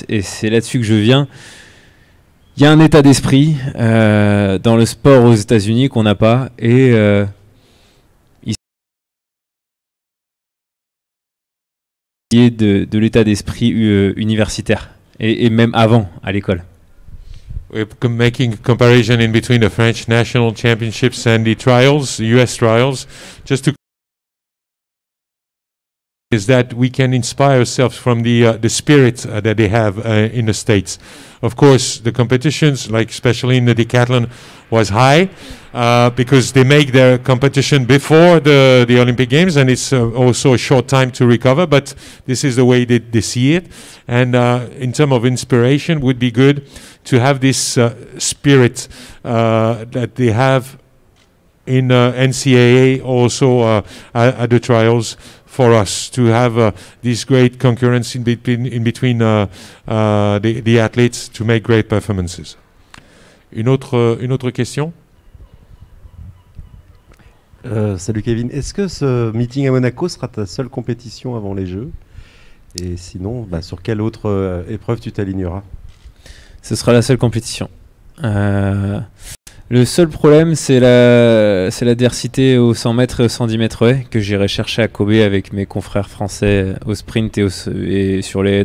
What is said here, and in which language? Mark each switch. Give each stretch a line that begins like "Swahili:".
French: Et c'est là-dessus que je viens. Il y a un état d'esprit dans le sport aux États-Unis qu'on n'a pas. Et il y a de l'état d'esprit universitaire. Et même avant, à l'école.
English: We're making comparison in between the French national championships and the trials, the US trials. Just to is that we can inspire ourselves from the spirit that they have in the States. Of course, the competitions, like especially in the decathlon, was high because they make their competition before the Olympic Games, and it's also a short time to recover, but this is the way they see it. And in terms of inspiration, would be good to have this spirit that they have in NCAA, also at the trials, for us to have this great concurrence in between the athletes to make great performances.
French: Une autre question. Salut Kevin, est-ce que ce meeting à Monaco sera ta seule compétition avant les Jeux? Et sinon, sur quelle autre épreuve tu t'aligneras? Ce sera la seule compétition. Le seul problème, c'est l'adversité aux 100 mètres et aux 110 mètres haies que j'irai chercher à Kobe avec mes confrères français au sprint et sur les haies.